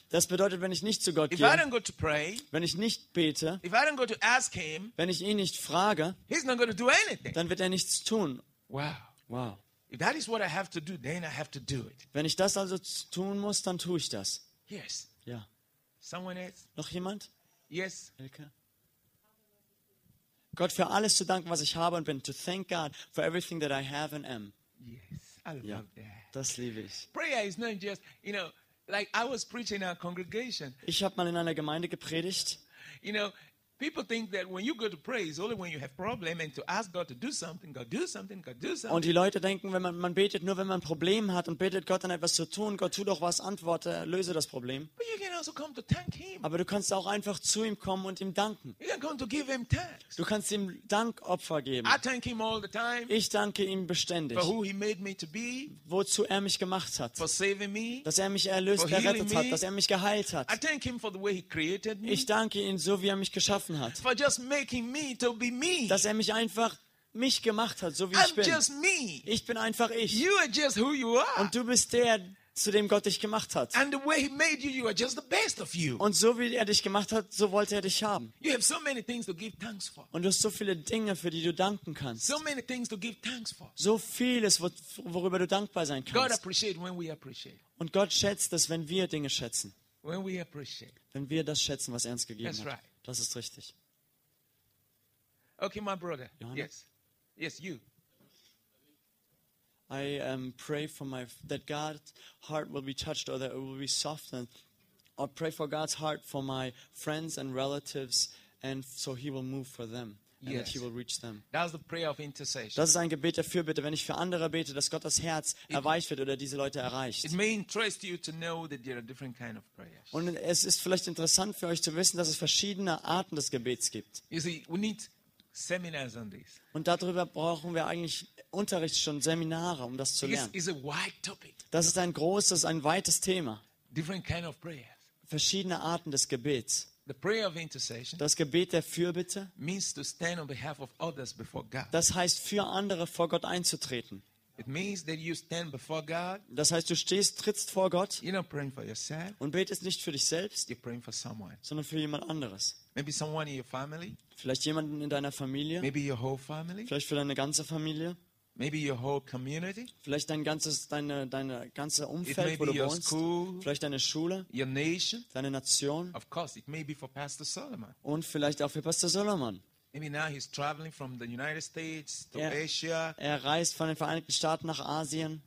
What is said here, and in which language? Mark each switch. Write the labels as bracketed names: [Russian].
[German] Das bedeutet, wenn ich nicht zu Gott gehe. [English] If I don't go to pray. [German] Wenn ich nicht bete. [English] If I don't go to ask him. [German] Wenn ich ihn nicht frage. [English] He's not going to do anything. [German] Dann wird er nichts tun. [English] Wow. If that is what I have to do, then I have to do it. [German] Wenn ich das also tun muss, dann tue ich das. [English] Yes. [German] Ja. [English] Someone else? [German] Noch jemand? [English] Yes. Elke. [German] Gott für alles zu danken, was ich habe und bin. [English] To thank God for everything that I have and am. Yes. I love that. [German] Das liebe ich. [English] Prayer is not just, you know, like I was preaching in our congregation. [German] Ich habe mal in einer Gemeinde gepredigt. [English] You know, people think that when you go to pray, it's only when you have problem and to ask God to do something, God do something, God do something. [German] Und die Leute denken, wenn man betet nur, wenn man ein Problem hat und betet Gott dann etwas zu tun, Gott tu doch was, antworte, löse das Problem. [English] But you can also come to thank him. [German] Aber du kannst auch einfach zu ihm kommen und ihm danken. [English] You can come to give him thanks. [German] Du kannst ihm Dankopfer geben. [English] I thank him all the time. [German] Ich danke ihm beständig. [English] For who he made me to be. [German] Wozu er mich gemacht hat. [English] For saving me. [German] Dass er mich erlöst, errettet hat, dass er mich geheilt hat. [English] I thank him for the way he created me. [German] Ich danke ihm so, wie er mich geschaffen hat. [English] For just making me to be me. [German] Dass er mich einfach mich gemacht hat, so wie ich bin. [English] Just me. [German] Ich bin einfach ich. [English] You are just who you are. [German] Und du bist der, zu dem Gott dich gemacht hat. [English] And the way he made you, you are just the best of you. [German] Und so wie er dich gemacht hat, so wollte er dich haben. [English] You have so many things to give thanks for. [German] Und du hast so viele Dinge, für die du danken kannst. [English] So many things to give thanks for. [German] So vieles, worüber du dankbar sein kannst. [English] God appreciate when we appreciate. [German] Und Gott schätzt das, wenn wir Dinge schätzen. [English] When we appreciate. [German] Wenn wir das schätzen, was er uns gegeben [English] That's [German] hat. [English] Right. [German] Das ist richtig. [English] Okay, my brother. Johannes? Yes. Yes, you. I pray for my that God's heart will be touched or that it will be softened. I pray for God's heart for my friends and relatives and so he will move for them and yes. that he will reach them. That's the prayer of intercession. [German] Das ist ein Gebet dafür, bitte, wenn ich für andere bete, dass Gottes Herz erweicht wird oder diese Leute erreicht. [English] It may interest you to know that there are different kind of prayers. [German] Und es ist vielleicht interessant für euch zu wissen, dass es verschiedene Arten des Gebets gibt. [English] You see, we need seminars on this. [German] Und darüber brauchen wir eigentlich Unterrichtsstunden, Seminare, um das zu lernen. [English] This is a wide topic. [German] Das ist ein großes, ein weites Thema. [English] Different kind of prayers. [German] Verschiedene Arten des Gebets. [English] The prayer of intercession. [German] Das Gebet der Fürbitte. [English] Means to stand on behalf of others before God. [German] Das heißt, für andere vor Gott einzutreten. [English] It means that you stand before God. [German] Das heißt, du stehst, trittst vor Gott. [English] You're not praying for yourself. [German] Und betest nicht für dich selbst. [English] You're praying for someone. [German] Sondern für jemand anderes. [English] Maybe someone in your family. [German] Vielleicht jemanden in deiner Familie. [English] Maybe your whole family. [German] Vielleicht für deine ganze Familie. [English] Maybe your whole community. [German] Vielleicht dein ganzes, deine ganze Umfeld, wo du wohnst. Vielleicht deine Schule. [English] Your nation. [German] Deine Nation. [English] Of course, it may be for Pastor Solomon. [German] Und vielleicht auch für Pastor Solomon. [English] Maybe now he's traveling from the United States to Asia. [German] Er reist von den Vereinigten Staaten nach Asien.